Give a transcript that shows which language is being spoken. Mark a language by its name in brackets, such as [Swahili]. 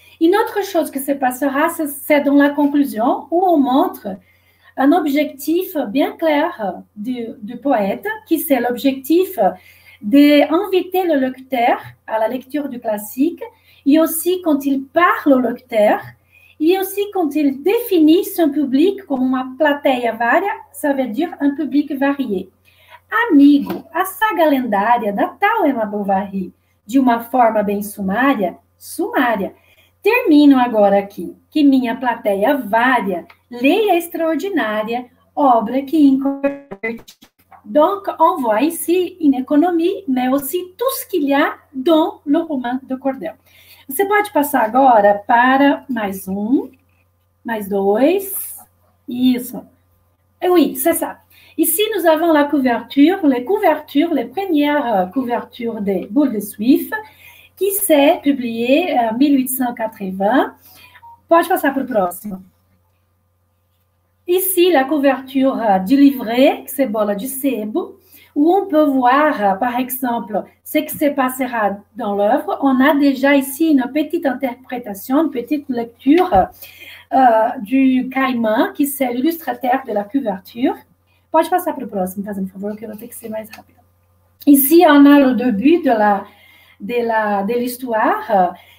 [French] Une autre chose que se passera, c'est dans la conclusion, où on montre un objectif bien clair du poète, qui c'est l'objectif d'inviter le lecteur à la lecture du classique, et aussi quand il parle au lecteur, et aussi quand il définit son public comme une [Portuguese] plateia varia, [French] ça veut dire un public varié. [Portuguese] Amigo, a saga lendária da tal Emma Bovary, de uma forma bem sumária, termino agora aqui, que minha plateia varia, leia extraordinária, obra que incorporou. [French] Donc, on voit ici une économie, mais aussi tout ce qu'il y a dans le roman de Cordel. [Portuguese] Você pode passar agora para mais um, mais dois, isso. [French] Oui, c'est ça. Ici, nous avons la couverture, les premières couvertures des Boules de Suif, qui s'est publiée en 1880. [Portuguese] Pode passar para o próximo. [French] Ici, la couverture du livret, c'est Bola de Sebo, où on peut voir, par exemple, ce qui se passera dans l'œuvre. On a déjà ici une petite interprétation, une petite lecture du Caïman, qui c'est l'illustrateur de la couverture. [Portuguese] Pode passar para o próximo, faz um favor, que eu vou ter que ser mais rápido. [French] Ici, on a le début de l'histoire.